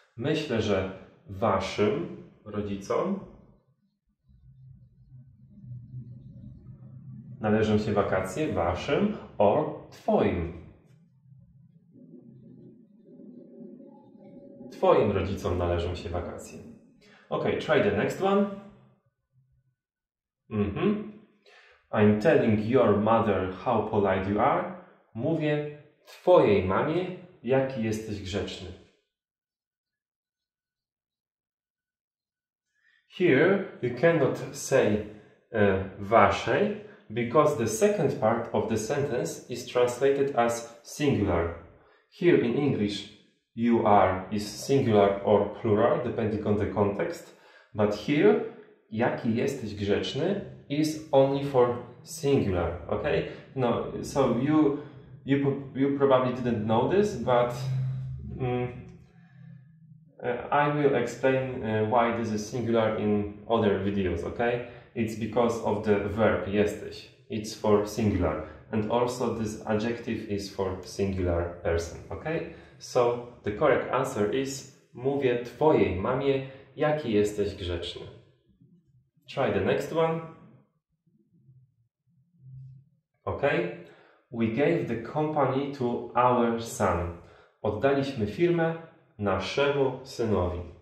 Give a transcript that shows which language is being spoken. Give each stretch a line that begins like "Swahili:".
Polish: Myślę, że waszym rodzicom należą się wakacje, waszym or twoim. Twoim rodzicom należą się wakacje.
English: Ok, try the next one. I'm telling your mother how polite you are.
Polish: Mówię twojej mamie, jaki jesteś grzeczny.
English: Here you cannot say waszej, because the second part of the sentence is translated as singular. Here in English you are is singular or plural depending on the context, but here
Polish: jaki jesteś grzeczny
English: is only for singular, okay? No, so you probably didn't know this, but I will explain why this is singular in other videos, okay? It's because of the verb jesteś. It's for singular. And also this adjective is for singular person, okay? So the correct answer is
Polish: mówię twojej mamie, jaki jesteś grzeczny.
English: Try the next one. Okay? We gave the company to our son.
Polish: Oddaliśmy firmę naszemu synowi.